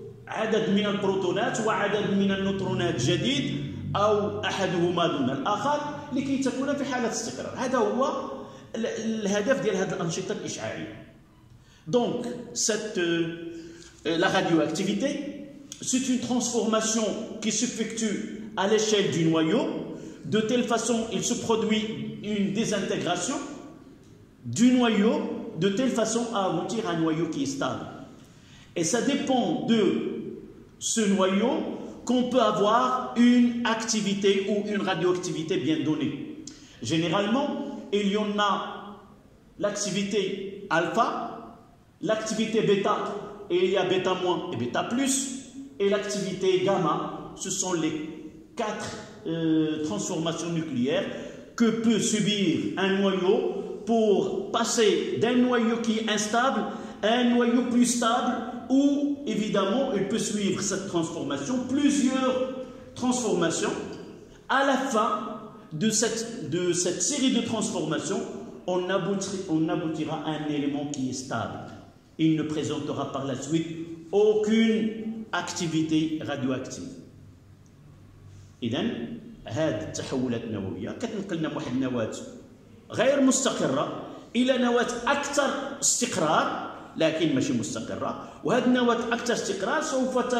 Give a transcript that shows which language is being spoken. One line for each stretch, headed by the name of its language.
Arabic: عدد من البروتونات وعدد من النيوترونات جديد أو أحدهما دون الآخر لكي تكون في حالة استقرار هذا هو الهدف ديال هذه الأنشطة الإشعاعية
French: Donc, cette, la radioactivité, c'est une transformation qui s'effectue à l'échelle du noyau. De telle façon, il se produit une désintégration du noyau, de telle façon à aboutir à un noyau qui est stable. Et ça dépend de ce noyau qu'on peut avoir une activité ou une radioactivité bien donnée. Généralement, il y en a l'activité alpha, l'activité bêta, et il y a bêta moins et bêta plus, et l'activité gamma, ce sont les quatre transformations nucléaires que peut subir un noyau pour passer d'un noyau qui est instable à un noyau plus stable, où évidemment il peut suivre cette transformation, plusieurs transformations. À la fin de cette série de transformations, on aboutira à un élément qui est stable. Il ne présentera par la suite aucune activité radioactive. Et donc,
Arabic: هاد التحولات النووية كتنقلنا من واحد النواة غير مستقرة إلى نواة أكثر استقرار لكن ماشي مستقرة وهاد النواة أكثر استقرار سوف